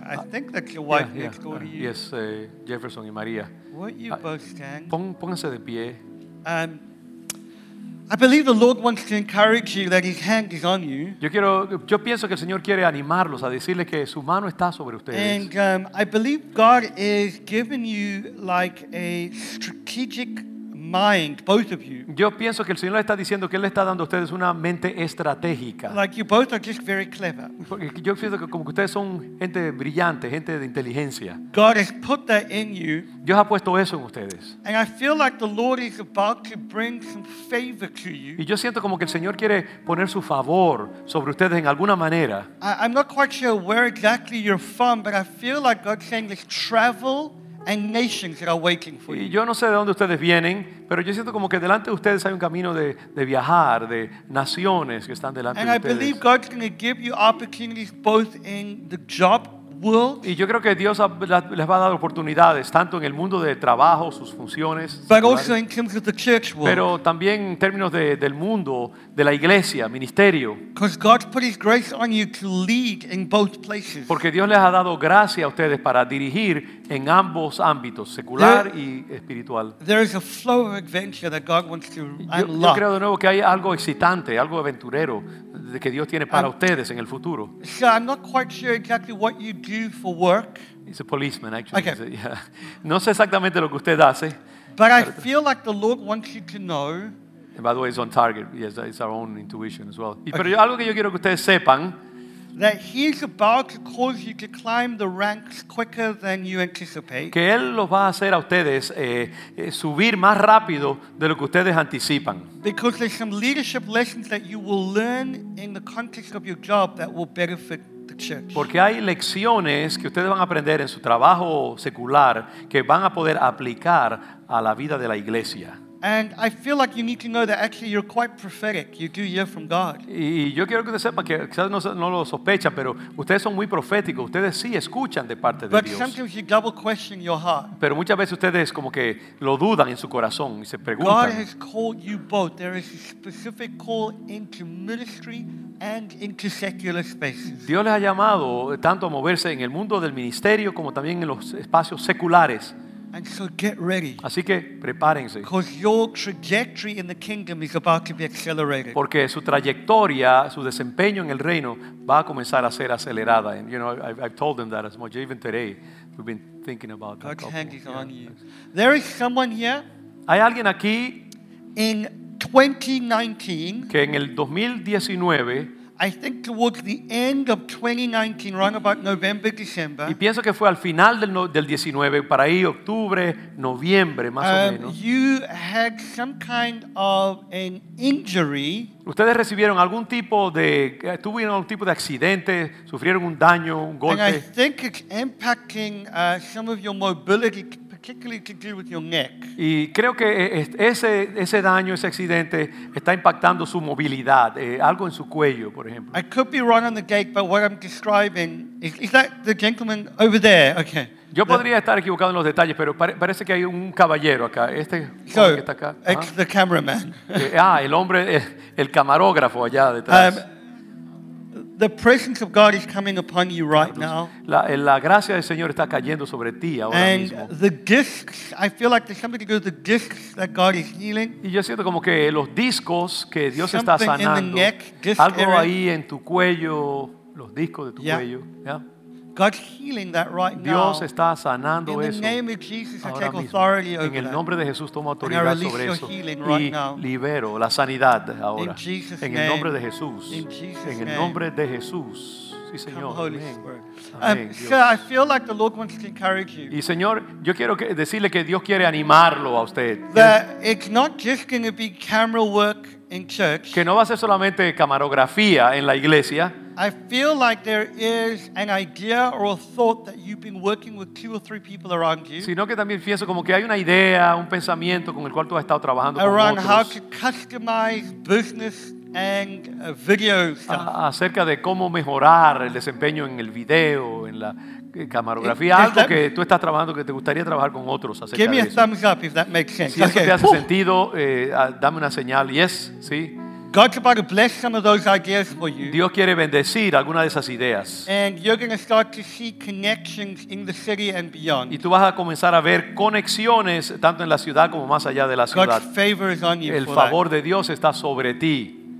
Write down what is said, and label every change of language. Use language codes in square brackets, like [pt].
[en] I think that's your wife next door to you. Yes, Jefferson and Maria. Won't you both stand? [es] Pónganse de pie. [en] I believe the Lord wants to encourage you that His hand is on you. [es] Yo pienso que el Señor quiere animarlos a decirles que su mano está sobre ustedes. [en] And I believe God is giving you like a strategic mind, both of you. [es] Yo pienso que el Señor le está diciendo que él le está dando a ustedes una mente estratégica. [en] Like you both are just very clever. [es] Porque yo pienso que como que ustedes son gente brillante, gente de inteligencia. [en] God has put that in you. [es] Dios ha puesto eso en ustedes. [en] And I feel like the Lord is about to bring some favor to you. [es] Y yo siento como que el Señor quiere poner su favor sobre ustedes en alguna manera. [en] I'm not quite sure where exactly you're from, but I feel like God's saying, let's travel. And nations that are waiting for you. [es] Y yo no sé de dónde ustedes vienen, pero yo siento como que delante de ustedes hay un camino de viajar, de naciones que están delante [en] and [es] de ustedes. [en] And I believe God's going to give you opportunities both in the job world. [es] Y yo creo que Dios les va a dar oportunidades tanto en el mundo de trabajo, sus funciones. [en] But also in terms of the church world. [es] Pero también en términos del mundo de la iglesia, ministerio. [en] Because God's put His grace on you to lead in both places. [es] Porque Dios les ha dado gracia a ustedes para dirigir en ambos ámbitos, secular y espiritual. [en] There is a flow of adventure that God wants to unlock. [es] Yo creo de nuevo que hay algo excitante, algo aventurero que Dios tiene para ustedes en el futuro. [en] So I'm not quite sure exactly what you do for work. He's a policeman, actually. Okay. [es] No sé exactamente lo que usted hace. [en] But I feel like the Lord wants you to know. And by the way, it's on target. Yes, it's our own intuition as well. Okay. [es] Pero algo que yo quiero que ustedes sepan. [en] That he's about to cause you to climb the ranks quicker than you anticipate. [es] Que él los va a hacer a ustedes subir más rápido de lo que ustedes anticipan. [en] Because there's some leadership lessons that you will learn in the context of your job that will benefit the church. [es] Porque hay lecciones que ustedes van a aprender en su trabajo secular que van a poder aplicar a la vida de la iglesia. [en] And I feel like you need to know that actually you're quite prophetic. You do hear from God. [es] Y yo quiero que usted sepa que quizás no lo sospecha, pero ustedes son muy proféticos. Ustedes sí escuchan de parte de Dios. [en] But sometimes you double question your heart. [es] Pero muchas veces ustedes como que lo dudan en su corazón y se preguntan. [en] God has called you both. There is a specific call into ministry and into secular spaces. [es] Dios les ha llamado tanto a moverse en el mundo del ministerio como también en los espacios seculares. [en] And so get ready. [es] Así que prepárense. [en] Because your trajectory in the kingdom is about to be accelerated. [es] Porque su trayectoria, su desempeño en el reino va a comenzar a ser acelerada. [en] And you know, I've told them that as much. Even today, we've been thinking about that. God's hand is on you. There is someone here. [es] Hay alguien aquí. [en] In 2019. [es] Que en el 2019. [en] I think towards the end of 2019, around about November, December. [es] Y pienso que fue al final del 19, para ahí octubre, noviembre, más o menos. [en] You had some kind of an injury. [es] Ustedes recibieron algún tipo de, tuvieron algún tipo de accidente, sufrieron un daño, un golpe. [en] And I think it's impacting some of your mobility. Particularly to deal with your neck. [es] Y creo que ese daño, ese accidente, está impactando su movilidad, algo en su cuello, por ejemplo. [en] I could be wrong on the gate, but what I'm describing is that the gentleman over there, okay. [es] Yo podría estar equivocado en los detalles, pero parece que hay un caballero acá. Este [en] so, [es] que está acá. [en] It's the cameraman. [es] el hombre, el camarógrafo allá detrás. [en] The presence of God is coming upon you right now. [es] La gracia del Señor está cayendo sobre ti ahora [en] and [es] mismo. [en] And the discs, I feel like there's something to do with the discs that God is healing. [es] Y yo siento como que los discos que Dios [en] something [es] está sanando. [en] Something in the neck, disc [es] algo [en] area. [es] Ahí en tu cuello, los discos de tu [en] yeah. [es] cuello. Yeah. [en] God's healing that right now. [es] Dios está sanando [en] in the [es] eso. [en] Name of Jesus, I take authority [es] en [en] over that. [es] En el nombre de Jesús tomo autoridad sobre eso. [en] Right [es] y [en] now. [es] Libero la sanidad ahora. [en] In Jesus [es] en el nombre de Jesús. [en] In Jesus [es] en el [en] name. [es] Nombre de Jesús. Sí, Señor. Amén. [en] Amén, so I feel like the Lord wants to encourage you. [es] Y Señor, yo quiero decirle que Dios quiere animarlo a usted. [en] That it's not just going to be camera work in church. [es] Que no va a ser solamente camarografía en la iglesia. [en] I feel like there is an idea or a thought that you've been working with two or three people around you. [es] Sino que también pienso como que hay una idea, un pensamiento con el cual tú has estado trabajando con otros. [en] Around how to customize business and video stuff. [es] Acerca de cómo mejorar el desempeño en el video, en la camarografía, algo que tú estás trabajando que te gustaría trabajar con otros acerca de eso. [en] Give me a thumbs up if that makes sense. [es] Si eso te hace sentido, dame una señal. [en] Yes, sí. God's about to bless some of those ideas for you. [es] Dios quiere bendecir alguna de esas ideas. [en] And you're going to start to see connections in the city and beyond. [es] Y tú vas a comenzar a ver conexiones tanto en la ciudad como más allá de la ciudad. [en] God's favor is on you. [es] El favor de Dios está sobre ti.